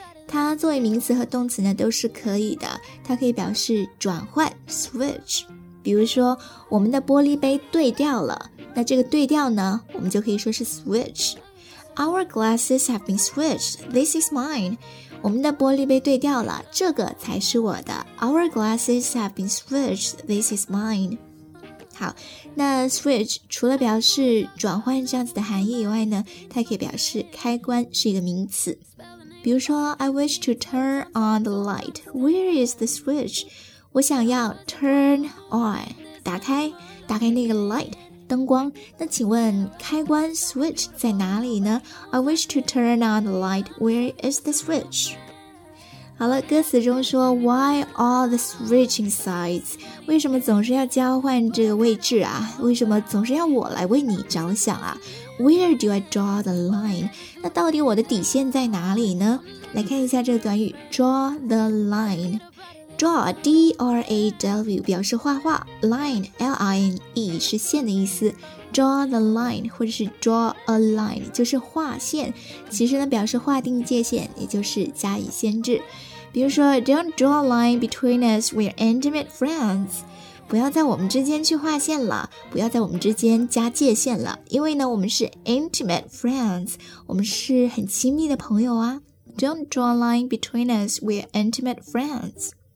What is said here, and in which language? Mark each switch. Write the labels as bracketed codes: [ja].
[zh] 它作为名词和动词呢都是可以的，它可以表示转换 switch, 比如说我们的玻璃杯对掉了，那这个对掉呢我们就可以说是 switch, [en] Our glasses have been switched, this is mine, [zh] 我们的玻璃杯对掉了，这个才是我的， Our glasses have been switched, this is mine。好，那 switch 除了表示转换这样子的含义以外呢，它可以表示开关，是一个名词。 [en] 比如说 I wish to turn on the light, where is the switch? [zh] 我想要 turn on, 打开，打开那个 light, 灯光，那请问开关 switch 在哪里呢？ [en] I wish to turn on the light, where is the switch? [zh] 好了，歌词中说 [en] why all the switching sides? [zh] 为什么总是要交换这个位置啊？为什么总是要我来为你着想啊？ [en] Where do I draw the line? [zh] 那到底我的底线在哪里呢？来看一下这个短语 draw the line. Draw, D-R-A-W, 表示画画。Line, L-I-N-E, 是线的意思。 Draw the line, 或者是 draw a line, 就是画线。其实呢，表示划定界限，也就是加以限制。 [en] 比如说 Don't draw a line between us, we're intimate friends. [zh] 不要在我们之间去划线了，不要在我们之间加界限了，因为呢，我们是 intimate friends, 我们是很亲密的朋友啊。 [en] Don't draw a line between us, we're intimate friends.